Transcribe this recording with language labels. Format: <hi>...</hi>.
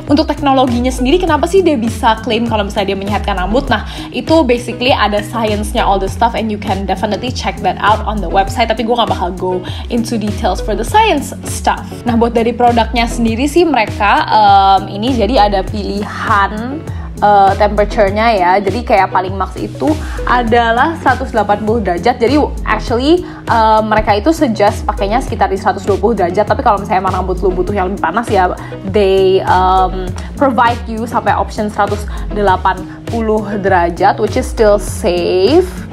<id>Untuk teknologinya sendiri, kenapa sih dia bisa claim kalau misalnya dia menyehatkan rambut? Nah, itu</id> <en>basically</en> <id>ada science-nya</id> <en>all the stuff, and you can definitely check that out on the website.</en> <id>Tapi gue gak bakal</id> <en>go into details for the science stuff.</en> <id>Nah, buat dari produknya sendiri sih, mereka ini jadi ada pilihan temperature-nya ya. Jadi kayak paling max itu adalah 180 derajat. Jadi actually mereka itu suggest pakainya sekitar di 120 derajat, tapi kalau misalnya emang rambut lu butuh yang lebih panas ya,</id> <en>they provide you</en> <id>sampai option 180 derajat,</id> <en>which is still safe.</en>